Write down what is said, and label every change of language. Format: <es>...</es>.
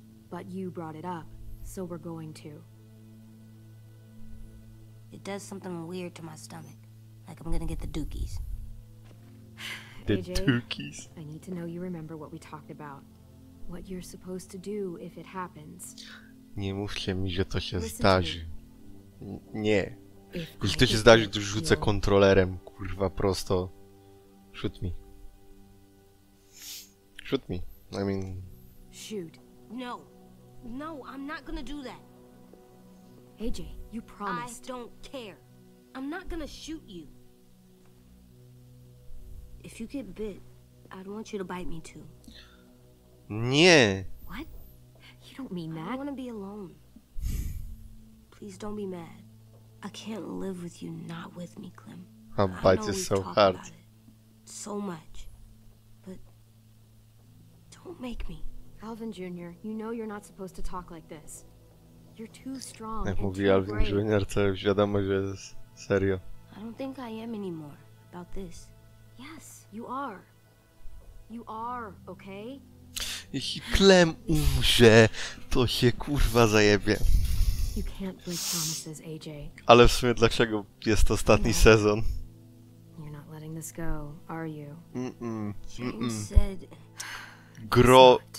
<en>But you brought it up, so we're going to. It does something weird to my stomach, like I'm gonna get the dookies. The AJ, dookies. I need to know you remember what we talked about. What you're supposed to do if it happens.</en> <pl>Nie mówcie mi, że to się zdarzy. Nie. Jeśli to się zdarzy, to rzucę kontrolerem, kurwa, prosto.</pl> <en>Shoot me. Shoot me. I mean... Shoot. No. No, I'm not gonna do that. AJ, you promised. I don't care. I'm not gonna shoot you. If you get bit, I'd want you to bite me too.</en> <pl>Nie.</pl> <en>What? You don't mean that? I wanna be alone. Please don't be mad. I can't live with you not with me, Clem. I'll bite you so hard. So much. But don't make me. Alvin Jr., you know you're not supposed to talk like this. You're too strong.</en> <pl>Jak mówi Alvin Jr., to wiadomo, że jest serio.</pl> <en>I don't think I am anymore about this. Yes, you are. You are, okay?</en> <pl>Jeśli Clem umrze, to się kurwa zajebie.</pl> <en>You can't break promises, AJ.</en> <pl>Ale w sumie dlaczego jest ostatni sezon?</pl> <en>You're not letting this go, are you?</en>